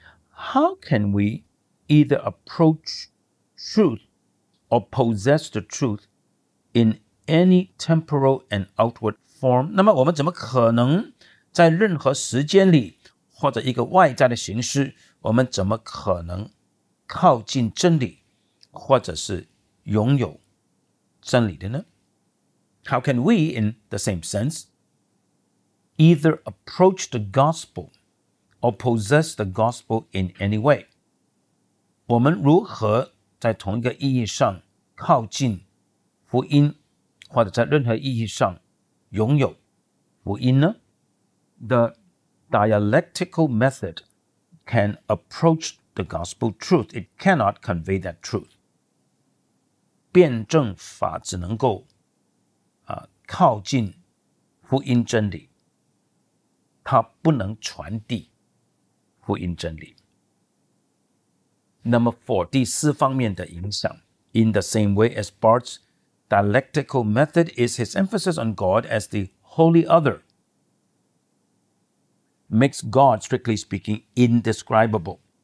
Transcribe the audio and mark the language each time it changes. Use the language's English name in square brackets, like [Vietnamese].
[English] How can we either approach truth or possess the truth in any temporal and outward form? [Chinese] 那么我们怎么可能在任何时间里或者一个外在的形式，我们怎么可能靠近真理或者是拥有真理的呢？ [English] How can we, in the same sense, either approach the gospel or possess the gospel in any way? [Chinese] 我们如何在同一个意义上靠近福音或者在任何意义上拥有福音呢？ [English] The dialectical method can approach the gospel truth. It cannot convey that truth. [Chinese] 辩证法只能够靠近福音真理，它不能传递福音真理。 [English] Number four, [Chinese] 第四方面的影响。 [English] In the same way as Barth's dialectical method is his emphasis on God as the holy other makes God, strictly speaking, indescribable.